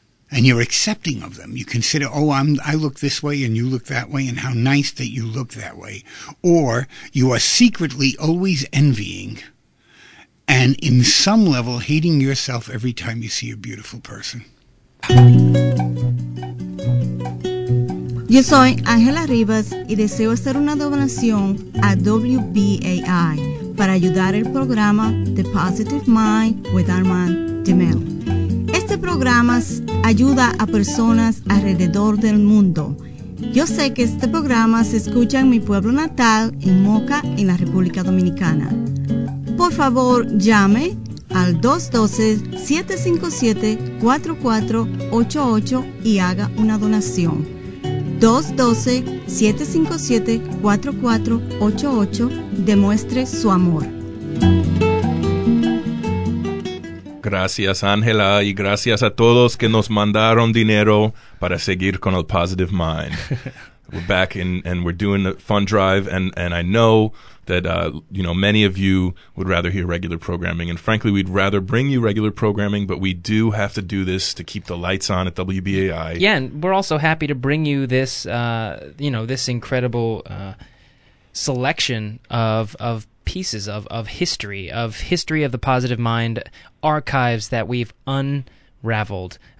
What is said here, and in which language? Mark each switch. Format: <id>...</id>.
<en>And you're accepting of them. You consider, oh, I look this way and you look that way and how nice that you look that way. Or you are secretly always envying and in some level hating yourself every time you see a beautiful person.</en> <es>Yo soy Angela Rivas y deseo hacer una donación a WBAI. para ayudar el programa The Positive Mind with Armand DeMille. Este programa ayuda a personas alrededor del mundo. Yo sé que este programa se escucha en mi pueblo natal, en Moca, en la República Dominicana. Por favor, llame al 212-757-4488 y haga una donación. 212-757-4488, demuestre su amor. Gracias, Ángela, y gracias a todos que nos mandaron dinero para seguir con el Positive Mind.</es> <en>We're back and we're doing a fun drive, and I know that you know, many of you would rather hear regular programming, and frankly, we'd rather bring you regular programming, but we do have to do this to keep the lights on at WBAI. Yeah, and we're also happy to bring you this you know, this incredible selection of pieces of history of the Positive Mind archives that we've unraveled.</en>